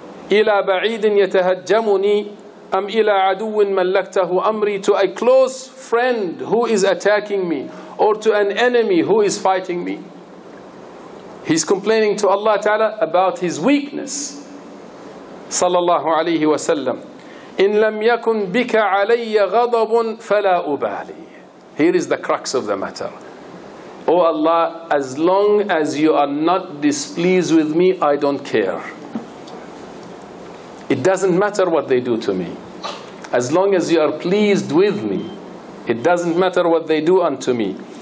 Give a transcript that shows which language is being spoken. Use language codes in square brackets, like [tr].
[ar] إلى بعيد يتهجمني أم إلى عدو ملكته أمري, [en] to a close friend who is attacking me, or to an enemy who is fighting me. He's complaining to Allah Ta'ala about his weakness. [ar] صلى الله عليه وسلم, إن لم يكن بك علي غضب فلا أبالي. [en] Here is the crux of the matter. Oh Allah, as long as you are not displeased with me, I don't care. It doesn't matter what they do to me. As long as you are pleased with me, it doesn't matter what they do unto me.